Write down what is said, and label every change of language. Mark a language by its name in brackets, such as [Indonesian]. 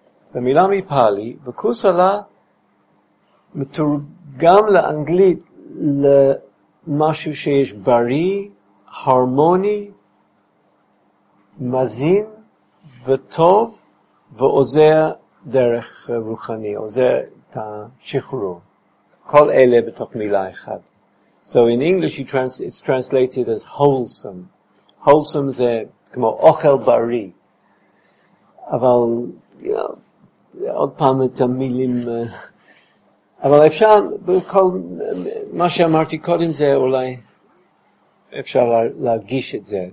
[Hebrew] זו מילה מפאלי, וכוסלה מתורגם לאנגלית למשהו שיש בריא, הרמוני, מזין וטוב ועוזר דרך רוחני, עוזר את השחרור. כל אלה בתוך מילה אחת. [English] So in English it's translated as wholesome. [Hebrew] Wholesome זה כמו אוכל בריא. אבל עוד פעם את המילים, אבל אפשר, בכל מה שאמרתי קודם זה אולי אפשר להגיש את זה.